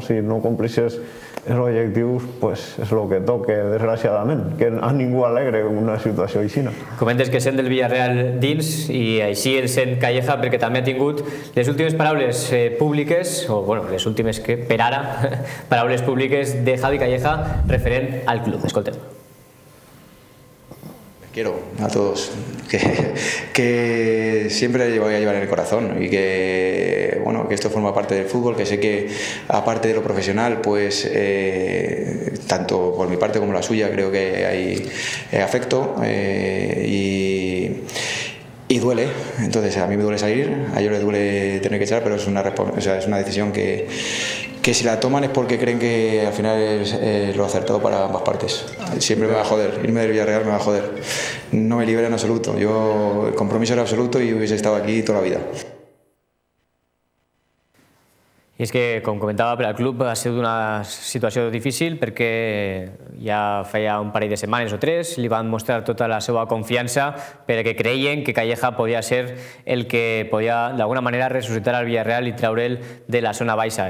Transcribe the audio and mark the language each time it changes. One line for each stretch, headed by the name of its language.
Catalan: Si no complixes els objectius, pues és el que toque, desgraciadament, que a ningú alegre una situació així. Comentes que sent del Villarreal dins i així el sent Calleja, perquè també ha tingut les últimes paraules públiques, o bueno, les últimes que per ara, paraules públiques de Javi Calleja referent al club. Escolta.
Spanish: quiero a todos, que siempre voy a llevar en el corazón y que, bueno, que esto forma parte del fútbol, que sé que aparte de lo profesional, pues tanto por mi parte como la suya, creo que hay afecto y duele. Entonces a mí me duele salir, a ellos les duele tener que echar, pero es una es una decisión que si la toman es porque creen que al final es lo acertado para ambas partes. Siempre me va a joder, irme del Villarreal me va a joder. No me libera en absoluto, yo el compromiso era absoluto y hubiese estado aquí toda la vida.
Catalan: I és que, com comentava, per al club ha sigut una situació difícil perquè ja feia un parell de setmanes o tres li van mostrar tota la seva confiança perquè creien que Calleja podia ser el que podia d'alguna manera ressuscitar el Villarreal i treure'l de la zona baixa.